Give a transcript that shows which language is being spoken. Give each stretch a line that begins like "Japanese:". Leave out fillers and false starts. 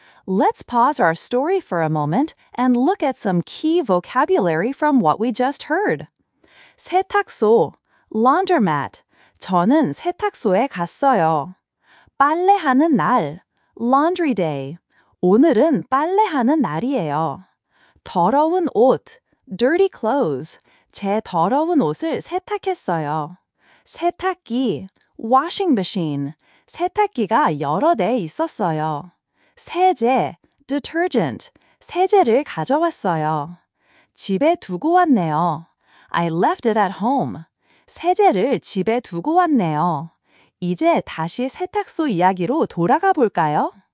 English: Let's pause our story for a moment and look at some key vocabulary from what we just heard.
Korean: 세탁소,
English: laundromat.
Korean: 저는 세탁소에 갔어요. 빨래하는 날,
English: laundry day.
Korean: 오늘은 빨래하는 날이에요. 더러운 옷,
English: dirty clothes.
Korean: 제 더러운 옷을 세탁했어요. 세탁기,
English: washing machine.
Korean: 세탁기가 여러 대 있었어요. 세제,
English: detergent.
Korean: 세제를 가져왔어요. 집에 두고 왔네요.
English: I left it at home.
Korean: 세제를 집에 두고 왔네요. 이제 다시 세탁소 이야기로 돌아가 볼까요?